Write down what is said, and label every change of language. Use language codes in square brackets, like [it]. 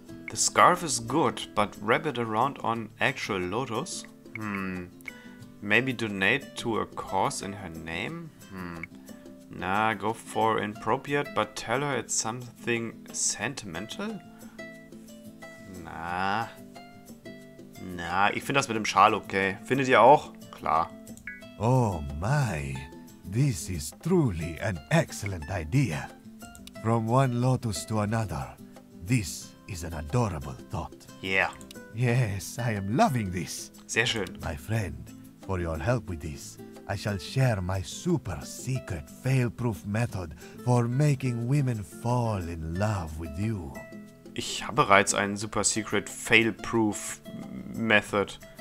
[en] The scarf is good, but wrap it around an actual lotus? Maybe donate to a cause in her name? Nah, go for inappropriate, but tell her it's something sentimental? [de] Nah, ich finde das mit dem Schal okay. Findet ihr auch? Klar. [en] Oh my, this is truly an excellent idea. From one lotus to another, this is an adorable thought. Yeah. Yes, I am loving this. [de] Sehr schön. [en] My friend, for your help with this, I shall share my super secret fail-proof method for making women fall in love with you. [de] Ich habe bereits einen [en] super secret fail-proof method.